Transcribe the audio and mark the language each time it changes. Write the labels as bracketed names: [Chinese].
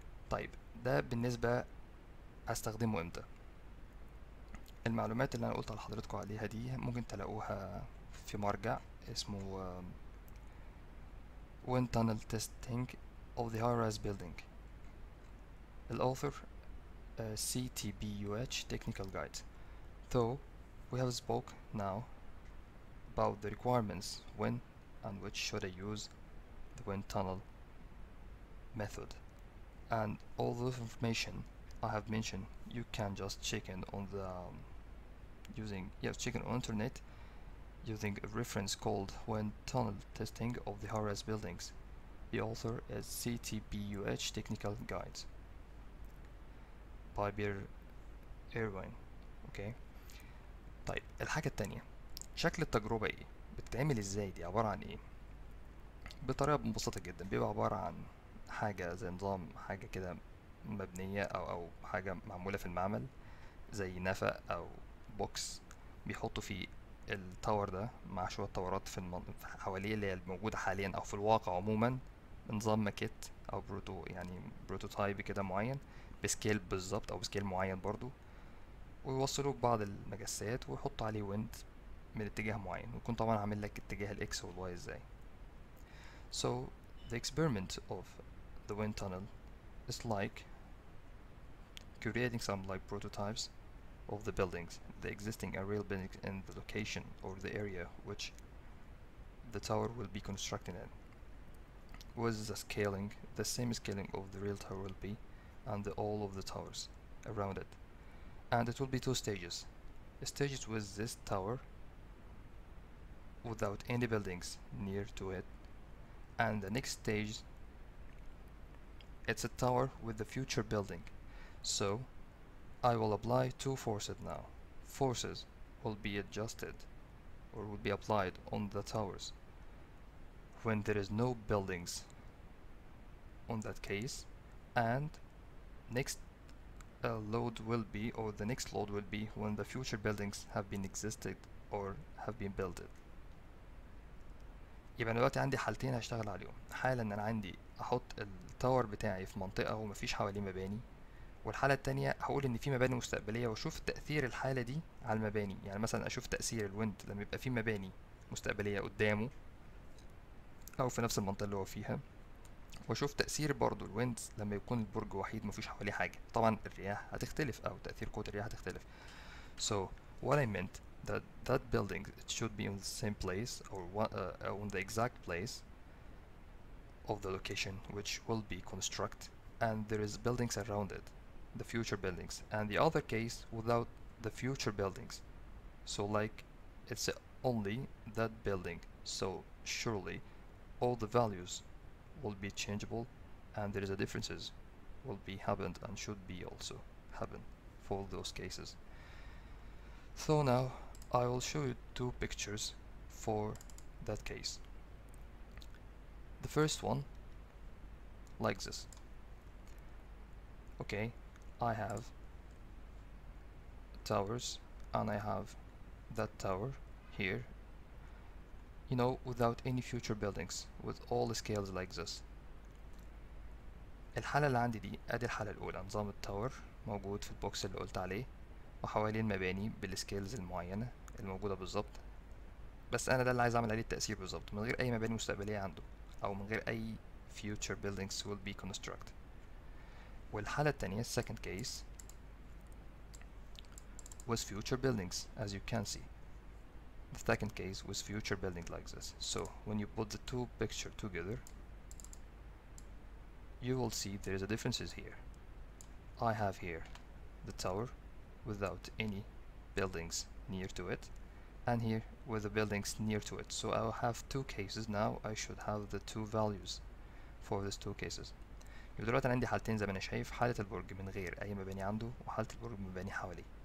[Arabic] طيب ده بالنسبة استخدمه امتى. المعلومات اللي انا قلتها لحضرتكم عليها دي ممكن تلاقوها في مرجع اسمه Wind Tunnel Testing of the High-Rise Building. [English] الاوثر CTBUH technical guide. So we have spoke now about the requirements, when and which should I use the wind tunnel method, and all those information I have mentioned you can just check in on the check in on internet using a reference called Wind Tunnel Testing of the High-Rise Buildings. The author is CTBUH technical guide فايبر Irwin. Okay. [Arabic] طيب الحاجة التانية، شكل التجربة ايه، بتتعمل ازاي، دي عبارة عن ايه؟ بطريقة مبسطة جدا بيبقى عبارة عن حاجة زي نظام، حاجة كده مبنية او حاجة معمولة في المعمل زي نفق او بوكس بيحطوا فيه التاور ده مع شوية تاورات في حواليه اللي هي الموجودة حاليا او في الواقع عموما، نظام ماكيت او بروتو، يعني بروتوتايب كده معين بسكيل بالظبط او بسكيل معين برضو، ويوصلوا بعض المجسات ويحطوا عليه ويند من اتجاه معين، ويكون طبعا عامل لك اتجاه الاكس والواي ازاي. [English] So the experiment of the wind tunnel is like creating some like prototypes of the buildings, the existing and real buildings in the location or the area which the tower will be constructed in, with the scaling, the same scaling of the real tower will be, and all of the towers around it. And it will be two stages. Stages with this tower without any buildings near to it. And the next stage, it's a tower with the future building. So I will apply two forces now. Forces will be adjusted or will be applied on the towers when there is no buildings on that case, and next load will be, or the next load will be, when the future buildings have been existed or have been built. [Arabic] يبقى انا دلوقتي عندي حالتين هشتغل عليهم. حالة ان انا عندي احط التاور بتاعي في منطقة ومفيش حواليه مباني, والحالة التانية هقول ان في مباني مستقبلية واشوف تأثير الحالة دي على المباني. يعني مثلا اشوف تأثير الويند لما يبقى في مباني مستقبلية قدامه او في نفس المنطقة اللي هو فيها, واشوف تأثير برضو الويند لما يكون البرج وحيد مفيش حواليه حاجة. طبعا الرياح هتختلف او تأثير قوة الرياح هتختلف. [English] So what I meant that building it should be in the same place or on the exact place of the location which will be constructed, and there is buildings around it, the future buildings, and the other case without the future buildings. So like it's only that building, so surely all the values will be changeable, and there is a differences will be happened and should be also happen for those cases. So now I will show you two pictures for that case. The first one like this. Okay, I have towers and I have that tower here, you know, without any future buildings, with all the scales like this. [Arabic] الحالة اللي عندي دي ادي الحالة الاولى, نظام التاور موجود في البوكس اللي قلت عليه وحوالين مباني بالسكيلز المعينة الموجودة بالظبط, بس انا ده اللي عايز اعمل عليه التأثير بالظبط من غير اي مباني مستقبلية عنده او من غير اي [English] future buildings will be constructed. [Arabic] والحالة التانية [English] second case was future buildings, as you can see the second case was future building like this. So when you put the two picture together you will see there is a differences here. I have here the tower without any buildings near to it, and here with the buildings near to it. So I will have two cases now. I should have the two values for these two cases. [Arabic] يبقى دلوقتي انا عندي حالتين زي ما انا شايف, حالة البرج من غير اي مباني عنده وحالة البرج مباني حواليه.